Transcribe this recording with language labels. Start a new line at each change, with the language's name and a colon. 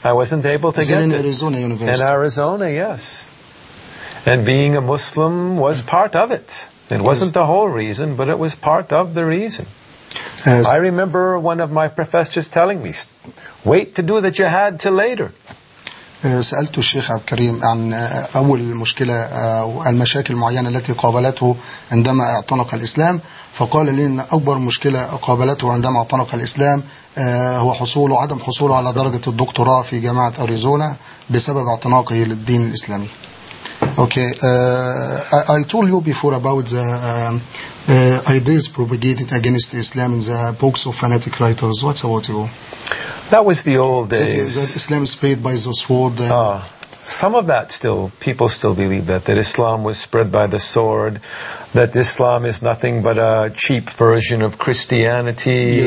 English: I wasn't able to get it. In Arizona University. In Arizona, yes. And being a Muslim was part of it. It wasn't the whole reason, but it was part of the reason. Yes. I remember one of my professors telling me, wait to do the jihad till later.
Arabic: سألت الشيخ عبد الكريم عن أول مشكلة المشاكل المعينة التي قابلته عندما اعتنق الإسلام فقال لي أن أكبر مشكلة قابلته عندما اعتنق الإسلام هو حصوله عدم حصوله على درجة الدكتوراه في جامعة أريزونا بسبب اعتناقه للدين الإسلامي.
English: Okay, I told you before about the ideas propagated against Islam in the books of fanatic writers. What about you? That was the old days. That Islam spread by the sword. Some of that still, people still believe that Islam was spread by the sword, that Islam is nothing but a cheap version of Christianity.